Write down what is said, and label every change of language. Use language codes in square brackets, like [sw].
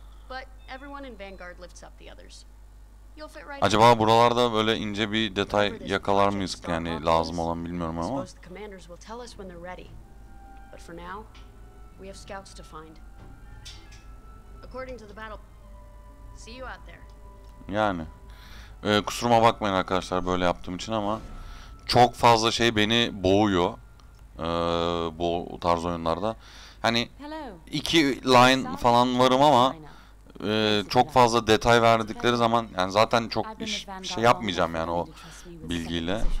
[en] But everyone in Vanguard lifts up the others. You'll fit right. [tr] Acaba buralarda böyle ince bir detay yakalar mıyız yani lazım olan bilmiyorum ama. [en] The commanders will tell us when they're ready. But for now, we have scouts to find. According to the battle. See you out there. [tr] Yani kusuruma bakmayın arkadaşlar böyle yaptığım için ama çok fazla şey beni boğuyor bu tarz oyunlarda. Hani iki line falan varım ama çok fazla detay verdikleri zaman yani zaten çok şey yapmayacağım yani o bilgiyle.